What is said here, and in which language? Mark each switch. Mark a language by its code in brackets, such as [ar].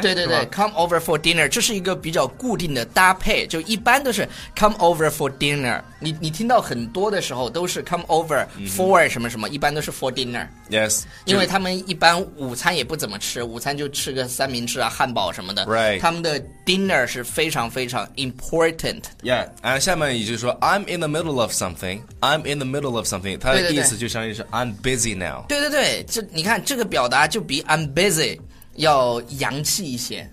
[zh] 对对对 ， [en] come over for dinner， [zh] 这是一个比较固定的搭配，就一般都是 [en] come over for dinner [zh] 你。你听到很多的时候都是 [en] come over for [zh] 什么什么，一般都是 [en] for dinner。 Yes， [zh] 因为他们一般午餐也不怎么吃，午餐就吃个三明治啊、汉堡什么的。 [en] Right， [zh] 他们的 dinner 是非常非常 important。 [en] Yeah， [zh] 下面也就是说 [en] ，I'm in the middle of something。 I'm in the middle of something。 [zh] 它的意思就相当于是 [en] I'm busy now。 [zh] 对对对，这你看这个表达就比 [en] I'm busy [zh] 要洋气一些。